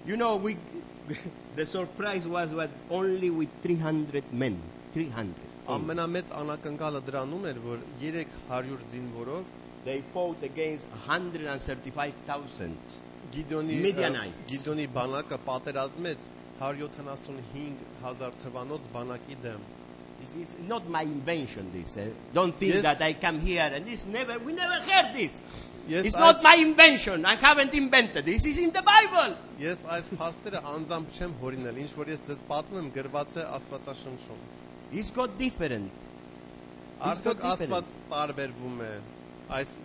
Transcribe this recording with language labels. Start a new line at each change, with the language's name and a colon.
English: You know we the surprise was that only with 300 men. 300.
Armenian: Ամենամեծ անակնկալը դրանում էր, որ 300 զինվորով
English: they fought against 135,000
Armenian: Գիդոնի
English: Midianites.
Armenian: Գիդոնի բանակը պատերազմեց 175,000 թվանոց բանակի դեմ.
English: This is not my invention, this. Don't think that I come here and this never we never heard this. Yes, it's not my invention. I haven't invented. This is in the Bible.
Armenian: Yes, այս փաստերը անձամբ չեմ հորինել, ինչ որ ես ձեզ պատմում եմ, գրված է Աստվածաշնչում.
English: It's got different.
Armenian: Արդյոք Աստված տարբերվում է այս